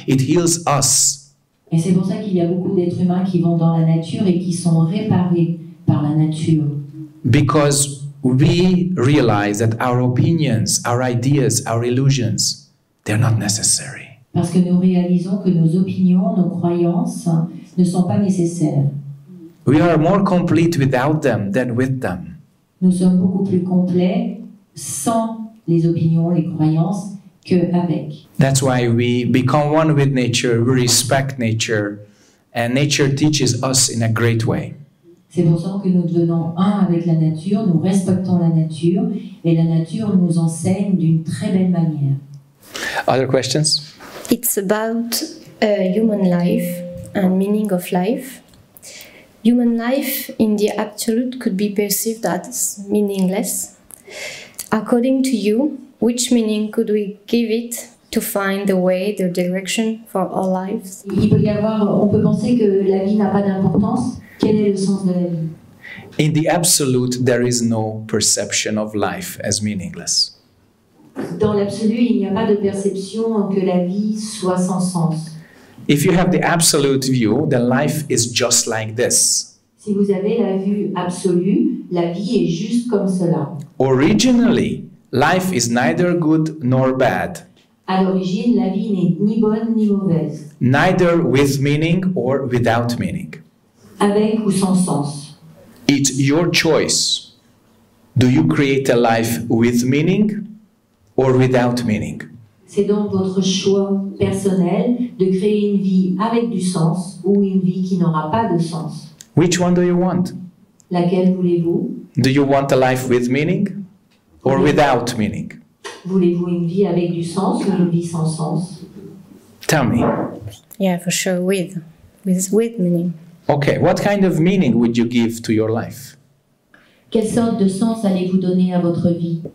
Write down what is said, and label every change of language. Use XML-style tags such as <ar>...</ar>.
<en>It heals us.</en> <fr>Et c'est pour ça qu'il y a beaucoup d'êtres humains qui vont dans la nature et qui sont réparés par la nature.</fr> <en>Because we realize that our opinions, our ideas, our illusions, they're not necessary.</en> <fr>Parce que nous réalisons que nos opinions, nos croyances ne sont pas nécessaires.</fr> <en>We are more complete without them than with them.</en> <fr>Nous sommes beaucoup plus complets sans les opinions, les croyances, qu'avec.</fr> <en>That's why we become one with nature, we respect nature, and nature teaches us in a great way.</en> <fr>C'est pour ça que nous devenons un avec la nature, nous respectons la nature, et la nature nous enseigne d'une très belle manière.</fr> <en>Other questions? It's about human life and meaning of life. Human life in the absolute could be perceived as meaningless. According to you, which meaning could we give it to find the way, the direction for our lives?</en> <fr>Il peut y avoir, on peut penser que la vie n'a pas d'importance. Quel est le sens de la vie?</fr> <en>In the absolute, there is no perception of life as meaningless.</en> <fr>Dans l'absolu, il n'y a pas de perception que la vie soit sans sens.</fr> <en>If you have the absolute view, then life is just like this.</en> <fr>Si vous avez la vue absolue, la vie est juste comme cela.</fr> <en>Originally, life is neither good nor bad.</en> <fr>À l'origine, la vie n'est ni bonne ni mauvaise.</fr> <en>Neither with meaning or without meaning.</en> <fr>Avec ou sans sens.</fr> <en>It's your choice. Do you create a life with meaning or without meaning?</en> <fr>C'est donc votre choix personnel de créer une vie avec du sens ou une vie qui n'aura pas de sens.</fr> <en>Which one do you want?</en> <fr>Laquelle voulez-vous?</fr> <en>Do you want a life with meaning or without meaning?</en> <fr>Voulez-vous une vie avec du sens ou une vie sans sens?</fr> <en>Tell me. Yeah, for sure, with meaning. Okay, what kind of meaning would you give to your life?</en> <fr>Quelle sorte de sens allez-vous donner à votre vie?</fr>